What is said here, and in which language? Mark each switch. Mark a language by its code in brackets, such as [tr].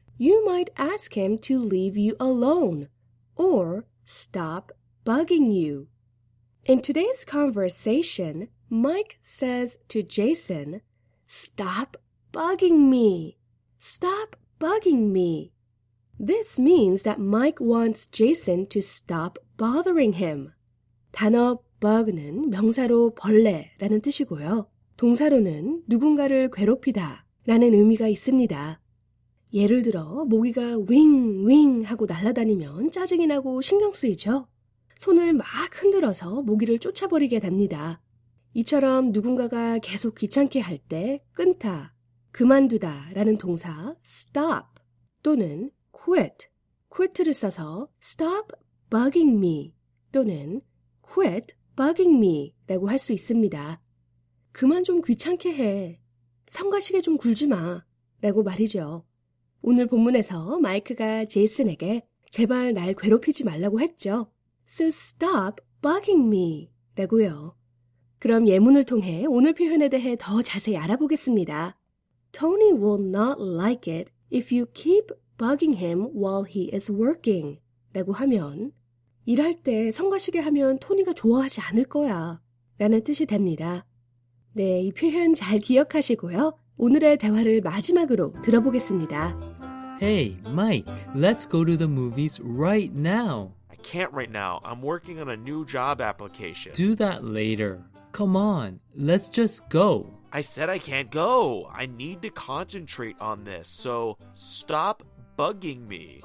[en] you might ask him to leave you alone or stop bugging you. In today's conversation, Mike says to Jason, "Stop bugging me. Stop bugging me." This means that Mike wants Jason to stop bothering him. [ko] 단어 bug는 명사로 벌레라는 뜻이고요. 동사로는 누군가를 괴롭히다 라는 의미가 있습니다. 예를 들어 모기가 윙윙 하고 날아다니면 짜증이 나고 신경 쓰이죠. 손을 막 흔들어서 모기를 쫓아버리게 됩니다. 이처럼 누군가가 계속 귀찮게 할 때 끊다, 그만두다 라는 동사 stop 또는 quit, quit를 써서 [en] stop bugging me [ko] 또는 [en] quit bugging me [ko] 라고 할 수 있습니다. 그만 좀 귀찮게 해. 성가시게 좀 굴지 마. 라고 말이죠. 오늘 본문에서 마이크가 제이슨에게 제발 날 괴롭히지 말라고 했죠. [en] So stop bugging me. [ko] 라고요. 그럼 예문을 통해 오늘 표현에 대해 더 자세히 알아보겠습니다. [en] Tony will not like it if you keep bugging him while he is working. [ko] 라고 하면 일할 때 성가시게 하면 토니가 좋아하지 않을 거야. 라는 뜻이 됩니다. 네, 이 표현 잘 기억하시고요. 오늘의 대화를 마지막으로 들어보겠습니다. [en] Hey, Mike, let's go to the movies right now. I can't right now. I'm working on a new job application. Do that later. Come on, let's just go. I said I can't go. I need to concentrate on this, so stop bugging me.